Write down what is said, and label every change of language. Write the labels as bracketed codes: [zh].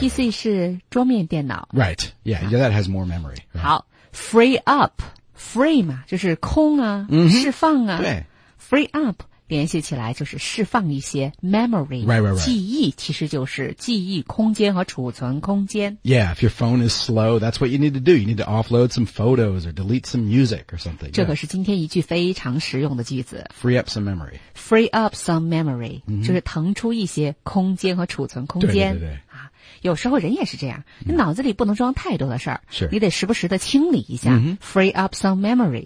[zh] PC是桌面电脑。 [en] Right, yeah, yeah, that has more memory. Right. [zh] 好, free up, free 嘛,就是空啊, mm-hmm. 释放啊, 对, free up. 联系起来就是释放一些 memory, [en] right, right, right. [zh] 记忆其实就是记忆空间和储存空间。 [en] Yeah, if your phone is slow, that's what you need to do. You need to offload some photos or delete some music or something. Yeah. [zh] 这可是今天一句非常实用的句子。 [en] Free up some memory. Free up some memory, mm-hmm. [zh] 就是腾出一些空间和储存空间。对对对。有时候人也是这样，脑子里不能装太多的事儿，你得时不时的清理一下。 mm-hmm. [en] Free up some memory.